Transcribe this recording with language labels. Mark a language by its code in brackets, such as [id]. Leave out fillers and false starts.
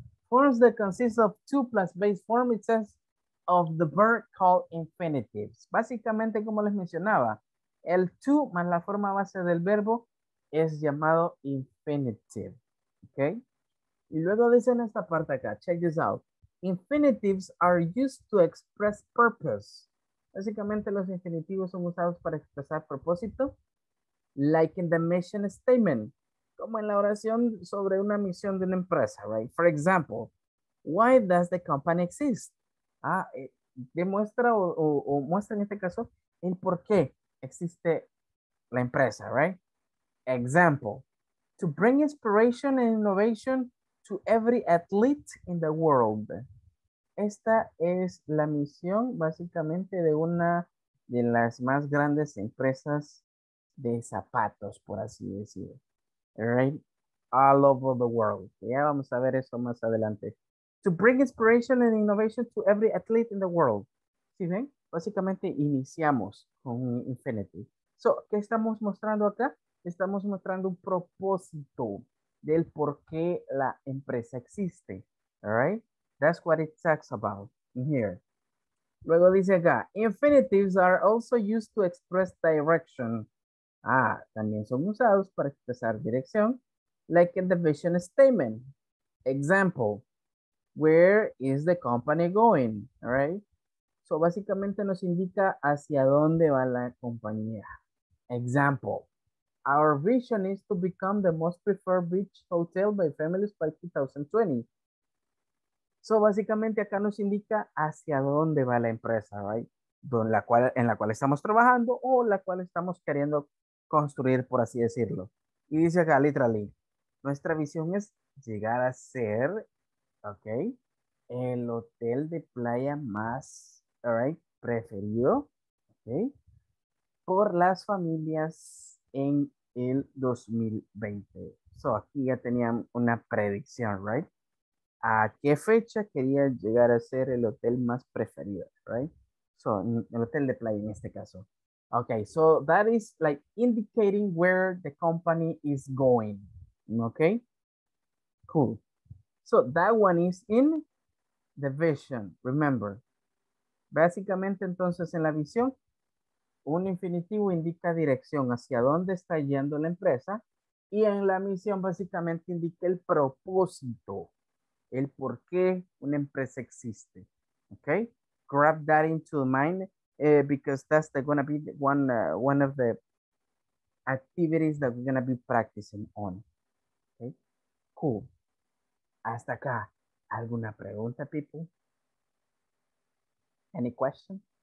[en] Forms that consist of two plus base form, it says, of the verb called infinitives. [es] Básicamente, como les mencionaba, el to más la forma base del verbo es llamado infinitive. Okay? Y luego dicen esta parte acá, [en] check this out. Infinitives are used to express purpose. [es] Básicamente, los infinitivos son usados para expresar propósito, [en] like in the mission statement. [es] Como en la oración sobre una misión de una empresa, right? [en] For example, why does the company exist? [es] Ah, demuestra o muestra en este caso el por qué existe la empresa, right? [en] Example, to bring inspiration and innovation to every athlete in the world. [es] Esta es la misión básicamente de una de las más grandes empresas de zapatos, por así decirlo. Right, [en] all over the world. [es] Yeah, vamos a ver eso más adelante. [en] To bring inspiration and innovation to every athlete in the world. [es] ¿Sí ven? Básicamente iniciamos con infinitive. So, ¿qué estamos mostrando acá? estamos mostrando un propósito del por qué la empresa existe. [en] All right? That's what it talks about here. [es] Luego dice acá, [en] infinitives are also used to express direction. [es] Ah, también son usados para expresar dirección, [en] like in the vision statement. Example, where is the company going? All right? [es] So, básicamente nos indica hacia dónde va la compañía. [en] Example, our vision is to become the most preferred beach hotel by families by 2020. [es] So, básicamente acá nos indica hacia dónde va la empresa, right? En la cual estamos trabajando o la cual estamos queriendo construir, por así decirlo. Y dice acá, literally, nuestra visión es llegar a ser, ok, el hotel de playa más, all right, preferido, ok, por las familias en el 2020. So, aquí ya tenían una predicción, right? ¿A qué fecha quería llegar a ser el hotel más preferido, right? So, el hotel de playa en este caso. [en] Okay, so that is like indicating where the company is going, okay? Cool. So that one is in the vision, remember. Básicamente entonces en la visión, un infinitivo indica dirección hacia dónde está yendo la empresa y en la misión básicamente indica el propósito, el por qué una empresa existe, okay? Grab that into mind. Because that's going to be one of the activities that we're going to be practicing on. [es] Okay, cool. Hasta acá. ¿Alguna pregunta, people? [en] Any question?